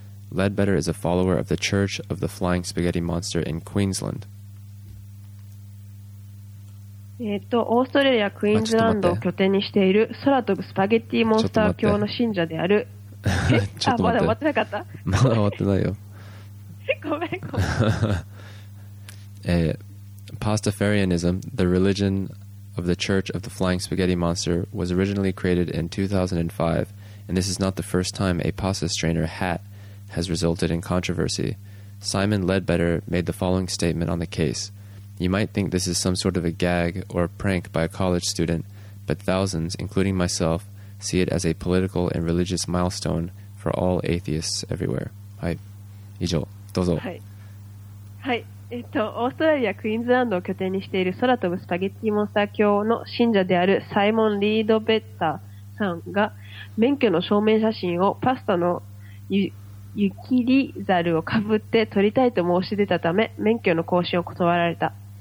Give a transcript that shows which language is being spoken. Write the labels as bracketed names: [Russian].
[English] Ledbetter is a follower of the Church of the Flying Spaghetti Monster in Queensland. [Japanese] オーストラリア・クイーンズランドを拠点にしている空飛ぶスパゲッティモンスター教の信者である。ちょっと待って、あ、まだ終わってなかった。まだ終わってないよ。ごめん。 [English] Pastafarianism, the religion of the Church of the Flying Spaghetti Monster, was originally created in 2005, and this is not the first time a pasta strainer hat has resulted in controversy. Simon Ledbetter made the following statement on the case. You might think this is some sort of a gag or a prank by a college student, but thousands, including myself, see it as a political and religious milestone for all atheists everywhere. [Japanese] はい、以上、どうぞ。はい。はい。オーストラリア・クイーンズランドを拠点にしている空飛ぶスパゲッティモンスター教の信者であるサイモン・リードベッタさんが免許の証明写真をパスタの湯切りザルをかぶって撮りたいと申し出たため免許の更新を断られた。